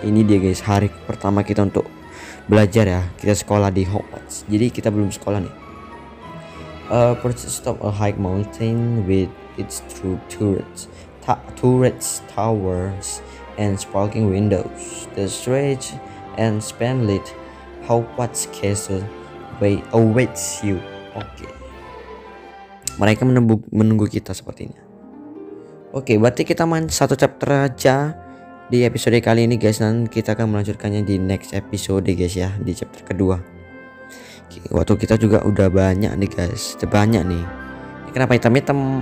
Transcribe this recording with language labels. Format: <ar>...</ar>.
<id>Ini dia guys, hari pertama kita untuk belajar ya. Kita sekolah di Hogwarts. Jadi kita belum sekolah nih.</id> <en>Purchase top a high mountain with its true turrets. Turrets, towers, and sparkling windows. The strange and splendid Hogwarts castle awaits you. Okay.</en> <id>Mereka menunggu kita sepertinya. Okay, berarti kita main satu chapter aja di episode kali ini guys. Dan kita akan melanjutkannya di</id> <en>next episode</en> <id>guys ya, di chapter kedua. Waktu kita juga udah banyak nih guys, banyak nih. Kenapa hitam-hitam?</id>